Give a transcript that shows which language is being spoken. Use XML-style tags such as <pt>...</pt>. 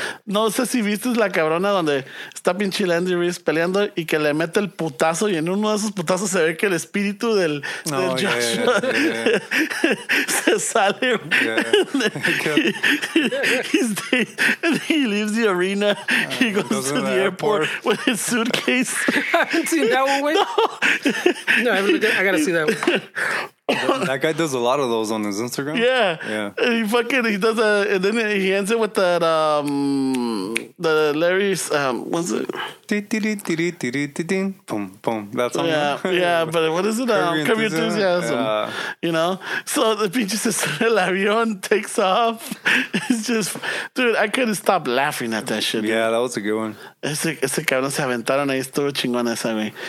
<es>No sé si viste la cabrona donde está pinche Andy Ruiz peleando y que le mete el putazo y en uno de esos putazos se ve que el espíritu del Joshua se sale.</es> <en>Yeah. he leaves the arena. He goes to the airport with his suitcase. I haven't seen that one, güey. No, I gotta see that one. That guy does a lot of those on his Instagram. Yeah. Yeah. He does and then he ends it with that, the Larry's, what's it? Boom, boom. That's all. Yeah, yeah, but what is it? Curb Your Enthusiasm. You know? So the pinche El Avión takes off. It's just, dude, I couldn't stop laughing at that shit. Yeah, that was a good one.</en> <es>Ese cabrón se aventaron ahí, estuvo chingón esa, güey.</es>